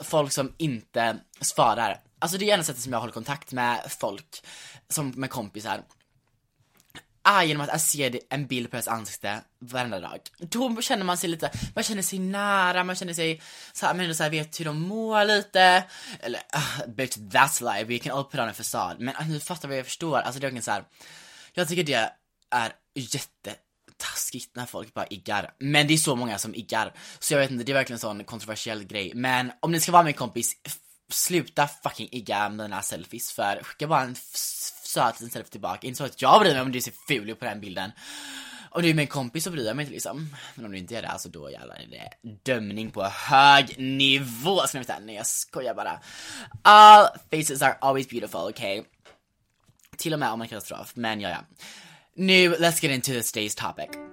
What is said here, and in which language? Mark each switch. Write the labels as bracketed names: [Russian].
[Swedish] Folk som inte svarar. Alltså det är ena sättet som jag håller kontakt med folk, som med kompisar. arg genom att jag ser en bild på hans ansikte varenda dag. Då känner man sig lite, man känner sig nära, man känner sig såhär, men såhär, vet hur de mår lite. Eller, [English] bitch, that's life, we can all put on a facade. [Swedish] Men nu fattar vad jag förstår, alltså det är så här. Jag tycker det är jättetaskigt när folk bara iggar. Men det är så många som iggar, så jag vet inte, det är verkligen en sån kontroversiell grej. Men om ni ska vara med kompis, sluta fucking igga med den här selfies. För skicka bara en söt liten selfie tillbaka. Inte så att jag bryr mig om du ser ful på den bilden. Om du är med en kompis så bryr jag mig inte liksom. Men om du inte gör det, alltså då jävlar är det dömning på hög nivå. Ska ni veta, nej jag skojar bara. [English] All faces are always beautiful, okay. [Swedish] Till och med om en katastrof, men ja. Nu, [English] let's get into this day's topic.